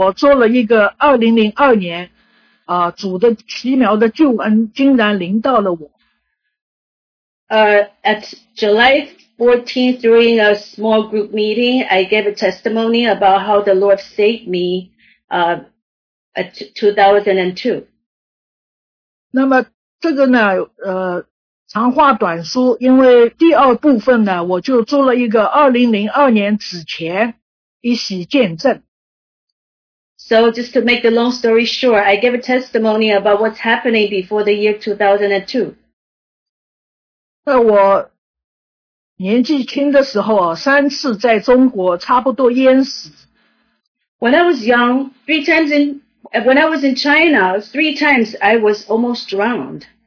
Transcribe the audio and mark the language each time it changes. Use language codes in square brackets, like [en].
[zh] 在7月14号，在一个团契里面，我做了一个2002年。主的奇妙的救恩竟然临到了我。 [en] At July 14th, during a small group meeting, I gave a testimony about how the Lord saved me at 2002. [zh] 那么这个呢，长话短说，因为第二部分呢，我就做了一个2002年之前一起见证。 [en] So just to make the long story short, I give a testimony about what's happening before the year 2002. [zh] 我年纪轻的时候，三次在中国差不多淹死。 [en] When I was young, when I was in China, three times I was almost drowned.